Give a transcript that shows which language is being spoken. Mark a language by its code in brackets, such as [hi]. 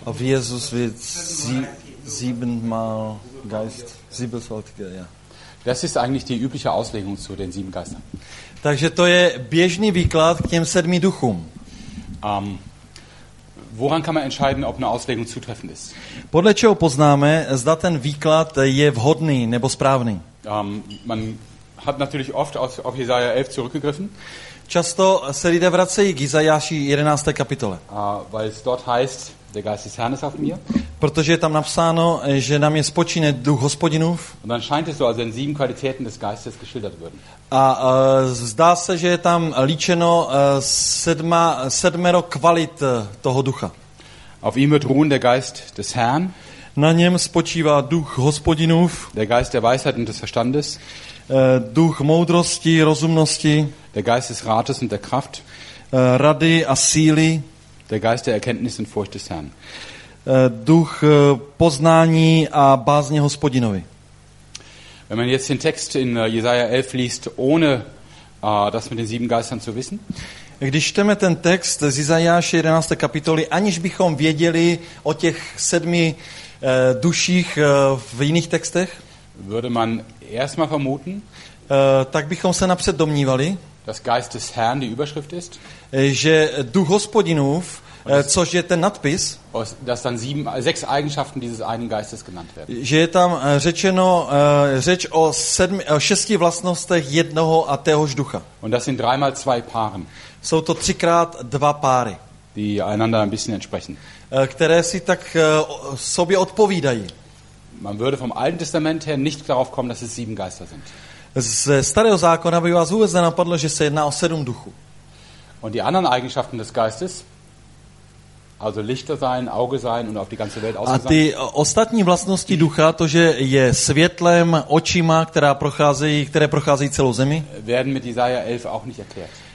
[de] Auf Jesus wird siebenmal Geist, siebenfältiger, ja. Das ist eigentlich die übliche Auslegung zu den sieben Geistern. [cs] Takže to je běžný výklad k těm sedmi duchům. [de] Woran kann man entscheiden, ob eine Auslegung zutreffend ist? [cs] Podle čeho poznáme, zda ten výklad je vhodný nebo správný? [de] Man hat natürlich oft auf Jesaja 11 zurückgegriffen. [cs] Často se lidé vracejí k Jesajáši 11. kapitole. [de] Weil es dort heißt, der Geist des Herrn ist auf mir. [cs] Protože je tam napsáno, že na mě spočíne duch Hospodinův. [de] Und dann scheint es so, als wenn sieben Qualitäten des Geistes geschildert würden. [cs] A zdá se, že je tam líčeno sedmero kvalit toho ducha. [de] Auf ihm wird ruhen der Geist des Herrn. [cs] Na něm spočívá duch Hospodinův. [de] Der Geist der Weisheit und des Verstandes. [cs] Duch moudrosti, rozumnosti. [de] Der Geist des Rates und der Kraft. [cs] Rady a síly. [de] Der Geist der Erkenntnis und Furcht des Herrn. [cs] Duch poznání a bázně Hospodinovi. [de] Wenn man jetzt den Text in Jesaja 11 liest, ohne das mit den sieben Geistern zu wissen. [cs] Když čteme ten text z Jesajáše 11. kapitoly, aniž bychom věděli o těch sedmi duších v jiných textech, [de] würde man erstmal vermuten, [cs] tak bychom se napřed domnívali, [de] dass Geist des Herrn die Überschrift ist, [cs] že duch Hospodinův, což je ten nadpis, [de] dass dann sechs Eigenschaften dieses einen Geistes genannt werden, [cs] že je tam řečeno řeč o šesti vlastnostech jednoho a téhož ducha. [de] Und das sind dreimal zwei Paaren. [cs] Jsou to třikrát dva páry, [de] die einander ein bisschen entsprechen, [cs] které si tak sobě odpovídají. [de] Man würde vom Alten Testament her nicht darauf kommen, dass es sieben Geister sind. [cs] Ze starého zákona by vás vůbec nenapadlo, že se jedná o sedm duchů. [de] Und die anderen Eigenschaften des Geistes, also Lichter sein, Auge sein und auf die ganze Welt ausgesandt. [cs] A ty ostatní vlastnosti ducha, to, že je světlem, očima, které procházejí celou zemi, [de] werden mit Jesaja 11 auch nicht erklärt.